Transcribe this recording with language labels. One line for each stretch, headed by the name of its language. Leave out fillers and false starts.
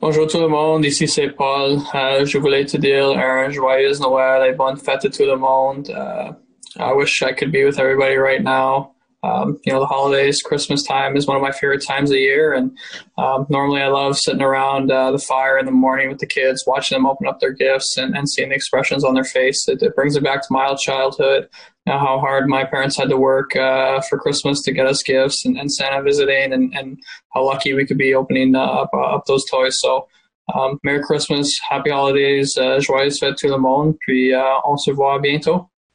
French: Tout le monde, ici c'est Paul. Je voulais te dire un joyeux Noël et bonne fête à tout le monde.
English: I wish I could be with everybody right now. You know, the holidays, Christmas time is one of my favorite times of year. And normally I love sitting around the fire in the morning with the kids, watching them open up their gifts and seeing the expressions on their face. It brings it back to my old childhood. You know, how hard my parents had to work for Christmas to get us gifts and Santa visiting and how lucky we could be opening up those toys. So Merry Christmas, Happy Holidays,
French: Joyeuse Fête tout le monde, puis on se voit bientôt.